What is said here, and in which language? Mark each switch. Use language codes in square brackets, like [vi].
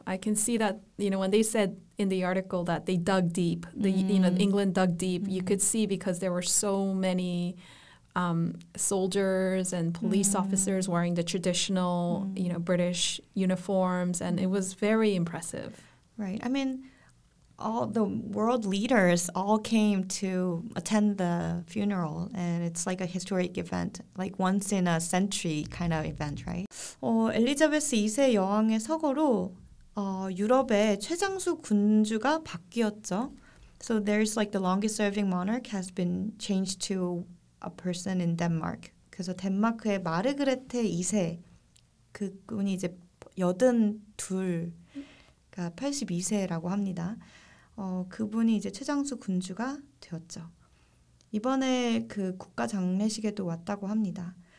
[en] I can see that, you know, when they said in the article that they dug deep, England dug deep, you could see because there were so many soldiers and police officers wearing the traditional, you know, British uniforms, and it was very impressive. Right. I mean, all the world leaders all came to attend the funeral, and it's like a historic event, like once in a century kind of event, right? [ko] 엘리자베스 2세 여왕의 서거로 유럽의 최장수 군주가 바뀌었죠. [en] So there's like the longest serving monarch has been changed to a person in Denmark. [ko] 그래서 덴마크의 마르그레테 2세 그 분이 이제 82가 82세라고 합니다. 그분이 이제 최장수 군주가 되었죠. 이번에 그 국가 장례식에도 왔다고 합니다.